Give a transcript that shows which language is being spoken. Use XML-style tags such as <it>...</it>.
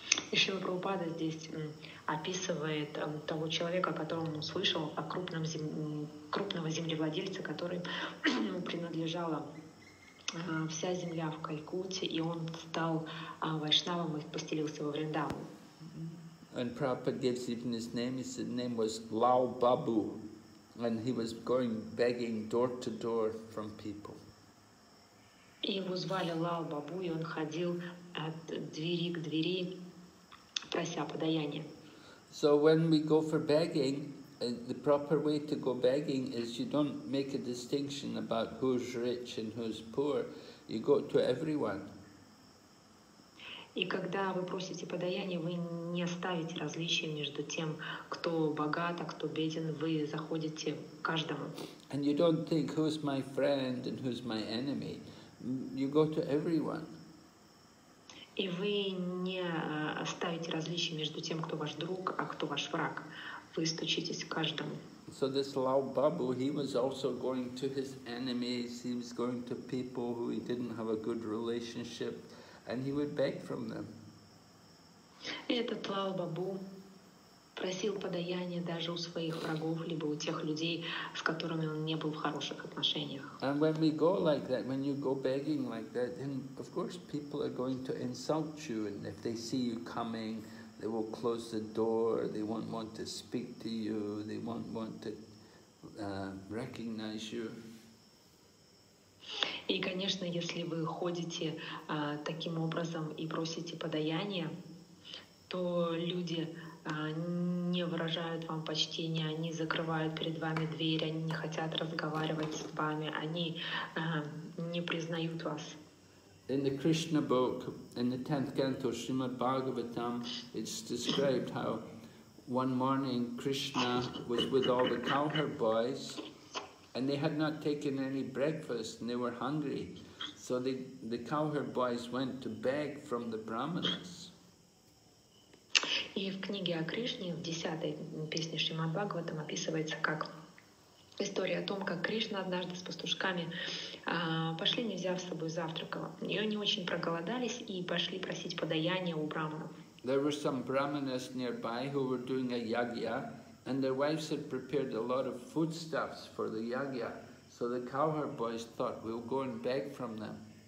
<ru>И Шрила Прабхупада здесь описывает того человека, о котором он услышал, о крупного землевладельца, который принадлежала вся земля в Калькутте, и он стал вайшнавом и поселился во Вриндаван.</ru> <en>And Prabhupada gives even his name. His name was Lal Babu, and he was going begging door to door from people.</en> <ru>Его звали Лал Бабу, и он ходил от двери к двери, прося подаяния.</ru> <en>So when we go for begging, the proper way to go begging is you don't make a distinction about who's rich and who's poor. You go to everyone.</en> <ru>И когда вы просите подаяние, вы не ставите различия между тем, кто богат, а кто беден, вы заходите к каждому.</ru> <en>And you don't think who's my friend and who's my enemy. You go to everyone.</en> <ru>И вы не ставите различия между тем, кто ваш друг, а кто ваш враг. Вы стучитесь к каждому.</ru> <en>So this Lal Babu, he was also going to his enemies, he was going to people who he didn't have a good relationship, and he would beg from them.</en> <ru>Этот Лал Бабу просил подаяние даже у своих врагов, либо у тех людей, с которыми он не был в хороших отношениях.</ru> <en>And when we go like that, when you go begging like that, then of course people are going to insult you, and if they see you coming, they will close the door, they won't want to speak to you, they won't want to recognize you.</en> <ru>И, конечно, если вы ходите таким образом и просите подаяние, то люди не выражают вам почтения, они закрывают перед вами дверь, они не хотят разговаривать с вами, они не признают вас.</ru> <en>In the Krishna book, in the 10th canto, Srimad Bhagavatam, it's described how one morning Krishna was with all the cowherd boys, and they had not taken any breakfast, and they were hungry. So the cowherd boys went to beg from the Brahmanas.</en> <ru>И в книге о Кришне, в 10-й песне Шримад Бхагаватам, описывается как история о том, как Кришна однажды с пастушками пошли, не взяв с собой завтрака. И они очень проголодались и пошли просить подаяния у брахманов.</ru> <en>There were some brahmanas nearby who were doing a yagya, and their wives had prepared a lot of foodstuffs for the yagya. So the cowherd boys thought, we'll go and beg from them.</en>